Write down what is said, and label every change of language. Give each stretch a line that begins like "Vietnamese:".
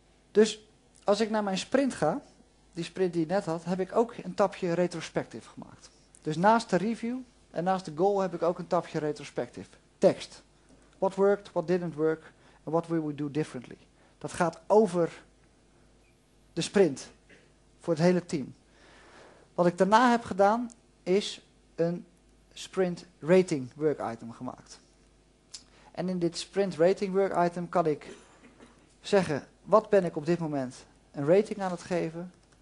Dutch: Dus als ik naar mijn sprint ga, die sprint die ik net had, heb ik ook een tapje retrospective gemaakt. Dus naast de review en naast de goal heb ik ook een tapje retrospective. Tekst.
English: What worked, what didn't work, and what will we do differently.
Dutch: Dat gaat over de sprint voor het hele team. Wat ik daarna heb gedaan, is een sprint rating work item gemaakt. En in dit sprint rating work item kan ik zeggen, wat ben ik op dit moment een rating aan het geven?